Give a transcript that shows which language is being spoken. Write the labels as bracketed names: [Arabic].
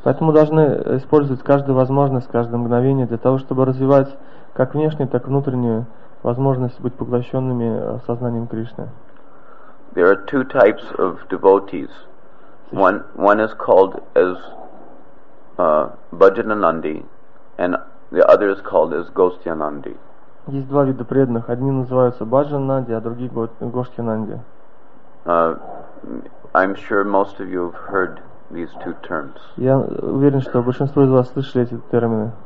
[Russian] Поэтому должны использовать каждую возможность, каждое мгновение для того, чтобы развивать как внешнюю, так и внутреннюю возможность быть поглощенными сознанием Кришны. [English] There are two types of devotees. One is called as Bhajananandi, and the other is called as Gostyanandi. [Russian] Есть два вида преданных. Одни называются Bhajananandi, а другие Gostyanandi. [English] I'm sure most of you have heard these two terms. [Russian] Я уверен, что большинство из вас слышали эти термины.